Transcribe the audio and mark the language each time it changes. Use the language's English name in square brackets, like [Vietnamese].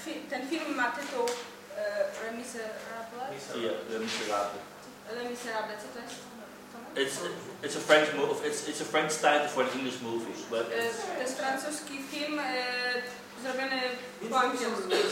[Polish] Ten film ma tytuł Le Miserable. [English] Yeah, Le Miserable. [Polish] Le Miserable, co to jest? [English] It's a French movie. It's a French title for an English movie. [Polish] To jest francuski film zrobiony po angielsku.